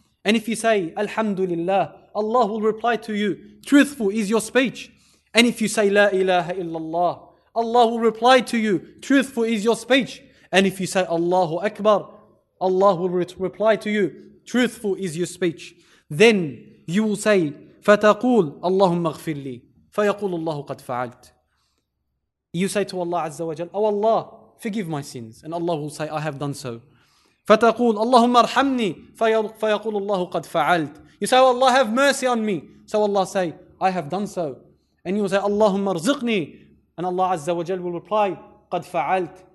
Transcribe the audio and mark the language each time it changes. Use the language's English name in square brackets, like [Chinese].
[English] And if you say Alhamdulillah, Allah will reply to you, truthful is your speech. And if you say La ilaha illallah, Allah will reply to you, truthful is your speech. And if you say Allahu Akbar, Allah will reply to you, truthful is your speech. Then you will say, [Arabic] فَتَقُولُ اللَّهُمَّ اغْفِرْ لِي فَيَقُولُ اللَّهُ قَدْ فَعَلْتْ. [English] You say to Allah Azza wa Jal, oh Allah, forgive my sins. And Allah will say, I have done so. [Arabic] فَتَقُولُ اللَّهُمَّ ارْحَمْنِي فَيَقُولُ اللَّهُ قَدْ فَعَلْتْ. [English] You say, oh Allah, have mercy on me. So Allah say, I have done so. And you say, [Arabic] اللَّهُمَّ ارْزِقْنِي. [English] And Allah Azza wa Jal will reply, [Arabic] قَدْ فَعَلْتْ.